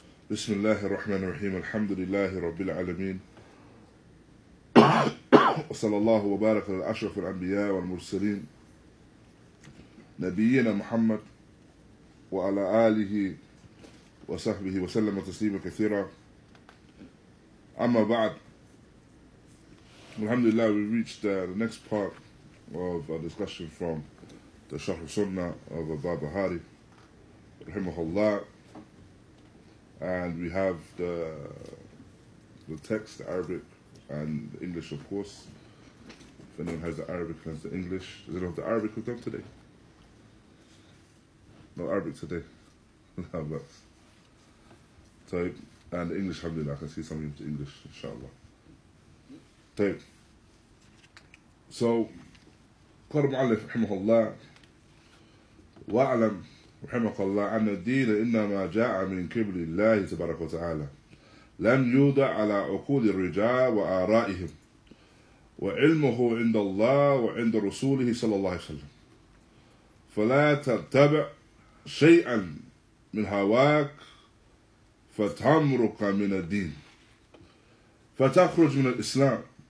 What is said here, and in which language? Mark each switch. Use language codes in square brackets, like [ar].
[ar] بسم الله الرحمن الرحيم الحمد لله رب العالمين وصلى الله وبارك على أشرف الأنبياء والمرسلين نبينا محمد وعلى آله وصحبه وسلم تسليما كثيرا أما بعد الحمد لله [en] we reached the next part of our discussion from the Sharh as-Sunnah of Barbahaaree [ar] رحمه الله. [en] And we have the text, the Arabic and the English, of course. If anyone has the Arabic and the English, does anyone have the Arabic with them today? No Arabic today. And the English, alhamdulillah, I can see something with the English, inshallah. [ar] So, قَالَ مُعَلِّفْ رَحِمَهُ اللَّهِ وَأَعْلَمْ رحمك الله أن الدين إنما جاء من قبل الله تبارك وتعالى لم يوضع على عقول الرجال وآرائهم وعلمه عند الله وعند رسوله صلى الله عليه وسلم فلا تتبع شيئا من هواك فتمرق من الدين فتخرج من الإسلام